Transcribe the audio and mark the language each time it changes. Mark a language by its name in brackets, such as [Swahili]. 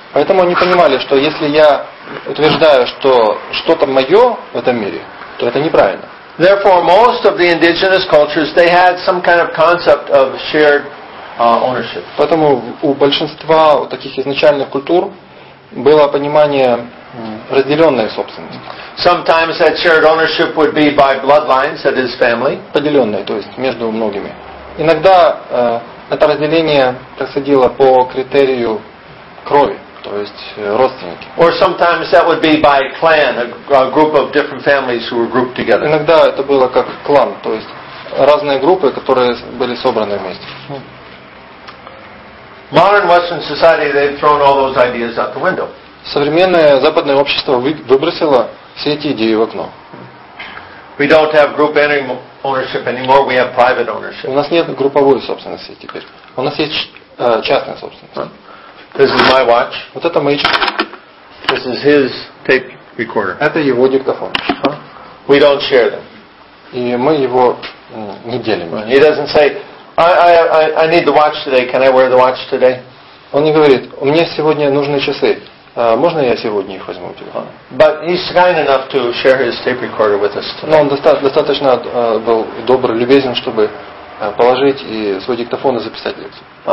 [Russian] Поэтому они понимали, что если я утверждаю, что что-то мое в этом мире, то это неправильно. [English] Therefore, most of the indigenous cultures they had some kind of concept of shared ownership. [Russian] Поэтому у большинства таких изначальных культур было понимание разделенной собственности. [English] Sometimes that shared ownership would be by bloodlines, that is, family. [Russian] Поделенное, то есть между многими. Иногда это разделение происходило по критерию крови, то есть родственники. [English] Or sometimes that would be by clan, a group of different families who were grouped together. [Russian] Иногда это было как клан, то есть разные группы, которые были собраны вместе. [English] Modern Western society, they've thrown all those ideas out the window. [Russian] Современное западное общество выбросило все эти идеи в окно. [English] We don't have group ownership anymore. We have private ownership. [Russian] У нас нет групповой собственности теперь. У нас есть частная собственность. [English] This is my watch. [Russian] Вот это мои часы. [English] This is his tape recorder. [Russian] Это его диктофон. [English] We don't share them. [Russian] И мы его не делим. [English] He doesn't say, I need the watch today. Can I wear the watch today? [Russian] Он не говорит, у меня сегодня нужны часы. Можно я сегодня их возьму у тебя? [English] But he's kind enough to share his tape recorder with us today. [Russian] Но он достаточно был добр, любезен, чтобы положить и свой диктофон и записать лекцию.